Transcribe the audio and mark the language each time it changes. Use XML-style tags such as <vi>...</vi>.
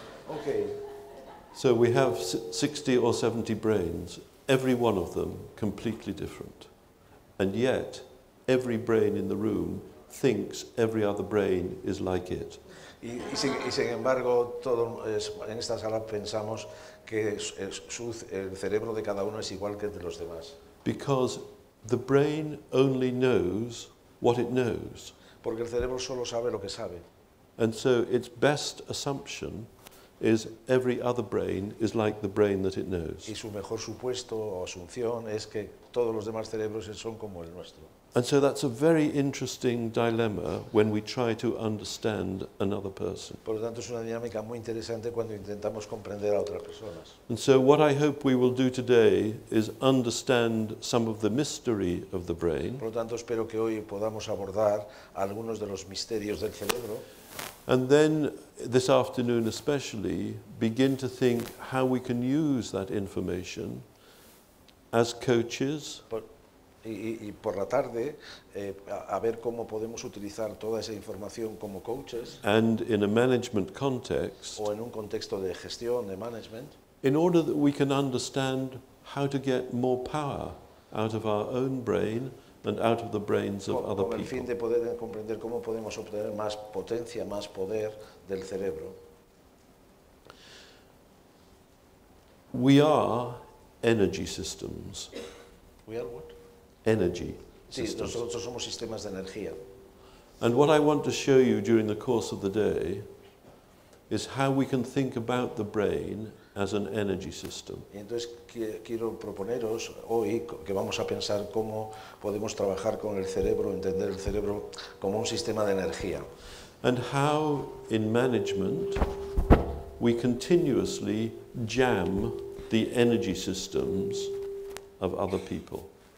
<en>Okay. So we have 60 or 70 brains. Every one of them completely different. And yet, every brain in the room thinks every other brain is like it.</en> <es>Y sin embargo, todo en esta sala pensamos que el cerebro de cada uno es igual que el de los demás.</es> <en>Because the brain only knows what it knows.</en> <es>Porque el cerebro solo sabe lo que sabe.</es> <en>And so its best assumption is every other brain is like the brain that it knows.</en> <es>Y su mejor supuesto o asunción es que todos los demás cerebros son como el nuestro.</es> <en>And so that's a very interesting dilemma when we try to understand another person.</en> <es>Por lo tanto, es una dinámica muy interesante cuando intentamos comprender a otras personas.</es> <en>And so what I hope we will do today is understand some of the mystery of the brain.</en> <es>Por lo tanto, espero que hoy podamos abordar algunos de los misterios del cerebro.</es> <en>And then this afternoon especially begin to think how we can use that information as coaches.</en> <es>Y por la tarde a ver cómo podemos utilizar toda esa información como coaches.</es> <en>And in a management context,</en> <es>o en un contexto de gestión, de management,</es> <en>in order that we can understand how to get more power out of our own brain and out of the brains of other people.</en> <es>Con el fin de poder comprender cómo podemos obtener más potencia, más poder del cerebro.</es> <en>We are energy systems. We are what? Energy</en> <es>systems. Sí, nosotros somos sistemas de energía.</es> <en>And what I want to show you during the course of the day is how we can think about the brain as an energy system.</en> <es>Y entonces quiero proponeros hoy que vamos a pensar cómo podemos trabajar con el cerebro, entender el cerebro como un sistema de energía.</es> <en>And how in management we continuously jam the energy systems of other people.</en>